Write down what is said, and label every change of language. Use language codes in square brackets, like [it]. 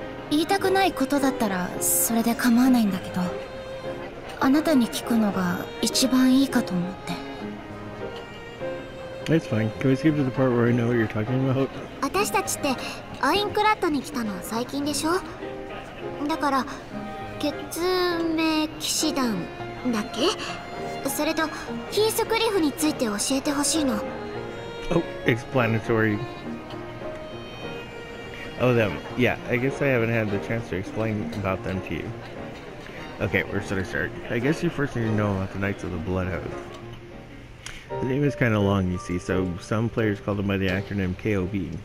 [ja] 言いたくないことだったらそれで構わないんだけど、あなたに聞くのが一番いいかと思って。 [en] It's fine. Can we skip to the part where I know what you're talking about? [ja] 私たちってアインクラッドに来たの最近でしょ。だから血明騎士団だっけ。それとヒースクリフについて教えてほしいの。 [en] Oh, explanatory. Oh, them. Yeah, I guess I haven't had the chance to explain about them to you. Okay, where should I start? I guess you first need to know about the Knights of the Blood Oath. The name is kind of long, you see, so some players call them by the acronym KOB.